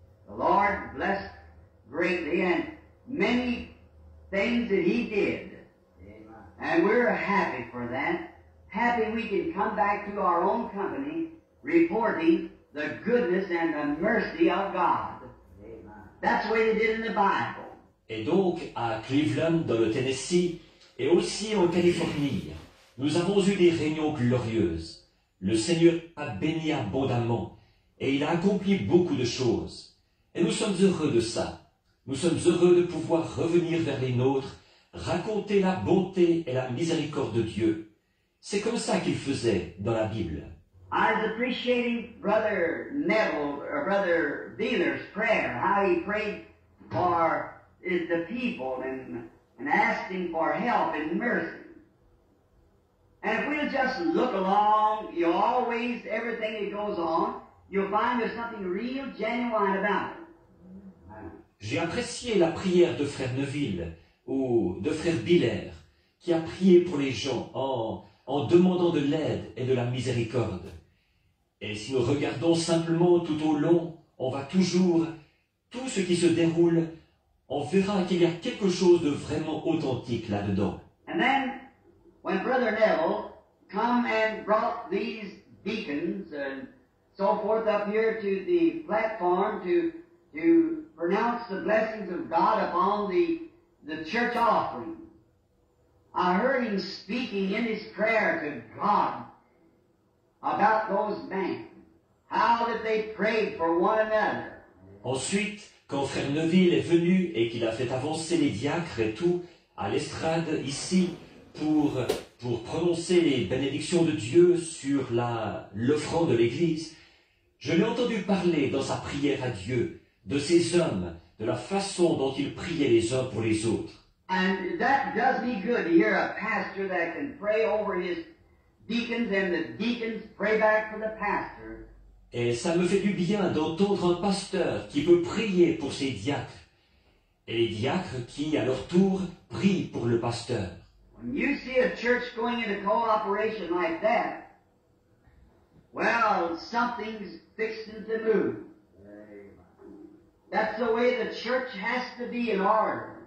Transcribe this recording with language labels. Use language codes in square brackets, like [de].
[en] The Lord blessed greatly, and many things that He did. Amen. And we're happy for that. Happy we can come back to our own company reporting the goodness and the mercy of God. Amen. That's what they did in the Bible. [fr] Et donc, à Cleveland, dans le Tennessee, et aussi en Californie, nous avons eu des réunions glorieuses. Le Seigneur a béni abondamment, et il a accompli beaucoup de choses. Et nous sommes heureux de ça. Nous sommes heureux de pouvoir revenir vers les nôtres, raconter la bonté et la miséricorde de Dieu. C'est comme ça qu'il faisait dans la Bible. [en] I was appreciating Brother Neville, Brother Beeler's prayer, how he prayed for... is the people and asking for help and mercy. And if we'll just look along, you always, everything that goes on, you'll find there's something real genuine about it. [fr] J'ai apprécié la prière de Frère Neville ou de Frère Biller qui a prié pour les gens en demandant de l'aide et de la miséricorde. Et si nous regardons simplement tout au long, on va toujours, tout ce qui se déroule, on verra qu'il y a quelque chose de vraiment authentique là-dedans. [en] And then, when Brother Neville come and brought these deacons and so forth up here to the platform to pronounce the blessings of God upon the church offering, I heard him speaking in his prayer to God about those men. How did they pray for one another? [fr] Ensuite, quand Frère Neville est venu et qu'il a fait avancer les diacres et tout à l'estrade ici pour prononcer les bénédictions de Dieu sur l'offrande de l'Église, je l'ai entendu parler dans sa prière à Dieu de ces hommes, de la façon dont ils priaient les uns pour les autres. [en] And that does me good to hear a pastor that can pray over his deacons and the deacons pray back for the pastor. [fr] Et ça me fait du bien d'entendre un pasteur qui peut prier pour ses diacres, et les diacres qui, à leur tour, prient pour le pasteur. [en] When you see a church going into cooperation like that, Well, something's fixing to move. That's the way the church has to be in order.